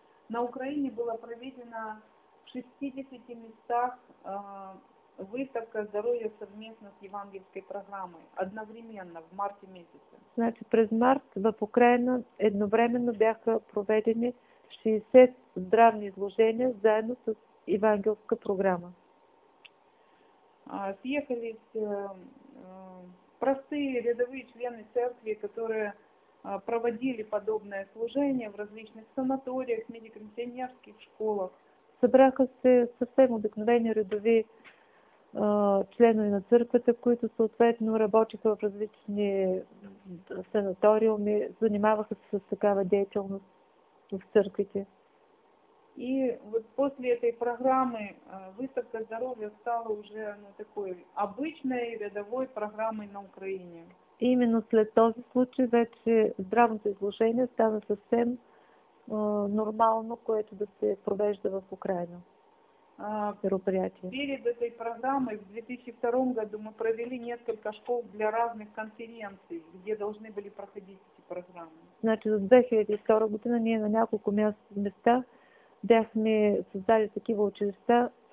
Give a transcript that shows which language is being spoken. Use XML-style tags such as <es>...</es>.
<ru>на Украине была проведена в 60 местах выставка здоровья совместно с евангельской программой одновременно в марте месяце.</ru> <bg>Значит, през март в Украина едновременно бяха проведени 60 здравни изложения заедно с евангелска програма.</bg> <ru>Съехались простые рядовые члены церкви, которые проводили подобное служение в различных санаториях, медико-миссионерских школах.</ru> <bg>Събраха се съвсем обикновени рядови членове на църквата, които съответно работиха в различни санаториуми, занимаваха се с такава деятелност в църквите.</bg> <ru>И вот после этой программы выставка здоровья стала уже такой обычной рядовой программой на Украине.</ru> <bg>И именно след този случай вече здравното изложение стана съвсем нормално, което да се провежда в Украина.</bg> <ru>Мероприятие. Перед этой программой в 2002 году мы провели несколько школ для разных конференций, где должны были проходить эти программы.</ru> <bg>Значит, в 2002 году ние на няколко места бяхме създали такива училища,</bg>